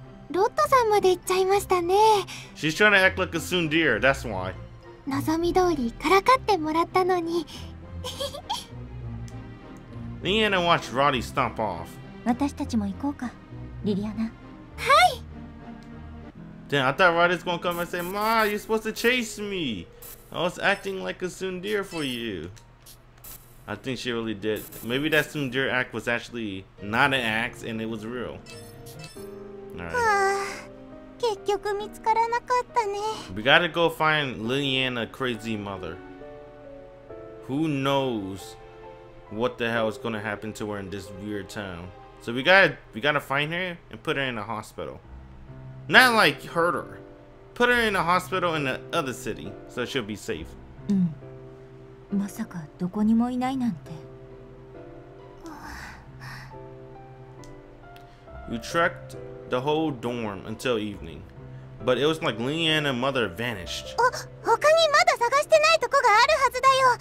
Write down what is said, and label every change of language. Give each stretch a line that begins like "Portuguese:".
Japanese: ロットさんまで行っちゃいましたね。
English: She's trying to act like a soon deer, that's why.
Japanese: 望み通りからかってもらったのに。
English: Liliana watched Roddy stomp off.
Japanese: 私たちも行こうか、リリアナ。はい。
English: Then I thought Roddy's gonna come and say, Ma, you're supposed to chase me. I was acting like a soon deer for you. I think she really did. Maybe that soon deer act was actually not an act and it was real.
Japanese: 結局見つからなかったね。
English: We gotta go find Liliana's crazy mother. Who knows what the hell is gonna happen to her in this weird town. So we gotta find her and put her in a hospital. Not like hurt her. Put her in a hospital in the other city so she'll be safe.
Japanese: まさかどこにもいないなんて。
English: We trekked the whole dorm until evening. But it was like Liliana's mother vanished.
Japanese: お、他にまだ探してないとこがあるはずだよ。